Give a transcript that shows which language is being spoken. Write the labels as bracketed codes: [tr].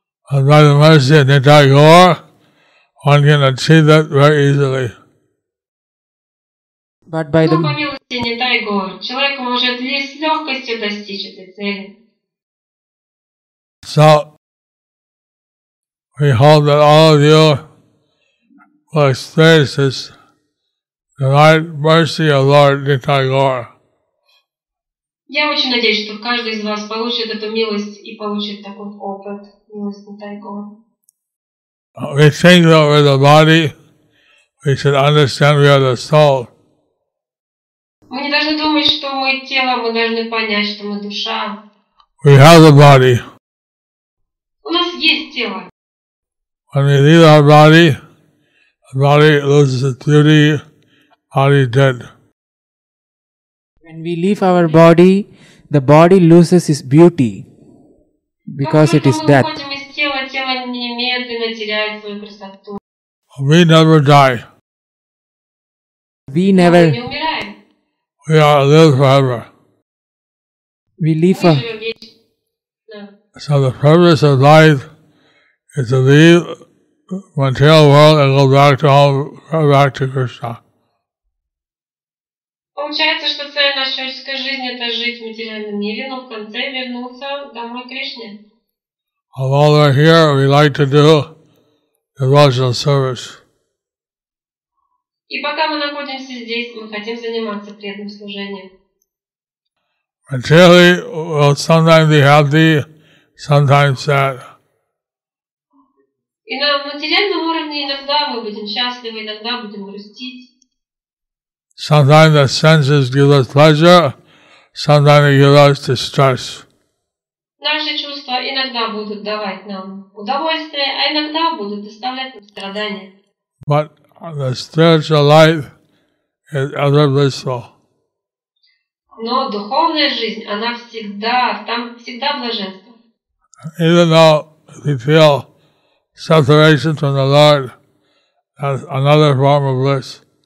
[en] and by the mercy of Nithai Gaura, one can achieve that very easily. But by the [ru] не дай Гуру. Человек может с легкостью достичь этой цели. [en] So, we hope that all of you will experience this divine mercy of Lord Nityagora. [ru] Я очень надеюсь, что каждый из вас получит эту милость и получит такой опыт милости Нитайгора. [en] We think that we're the body. We should understand we are the soul. [ru] Мы не должны думать, что мы тело, мы должны понять, что мы душа. [en] We have the body. [ru] У нас есть тело. [en] When we leave our body, the body loses its beauty, body is dead. When we leave our body, the body loses its beauty because it is death. We never die. We never. We are live forever. We live forever. So the purpose of life is to leave the material world and go back to home, go back to Krishna. [ru] Получается, что цель нашей человеческой жизни – это жить в материальном мире, но в конце вернуться домой к Кришне. [en] While we're here, we like to do devotional service. [ru] И пока мы находимся здесь, мы хотим заниматься преданным служением. [en] Materially, we'll sometimes be happy, sometimes sad. [ru] И на материальном уровне иногда мы будем счастливы, иногда будем грустить. [en] Sometimes the senses give us pleasure, sometimes they give us distress. [ru] Наши чувства иногда будут давать нам удовольствие, а иногда будут доставлять нам страдания. [en] But the spiritual life is ever blissful. [ru] Но духовная жизнь, она всегда, там всегда блаженство. [en] Even though we feel separation from the Lord, that's another form of bliss.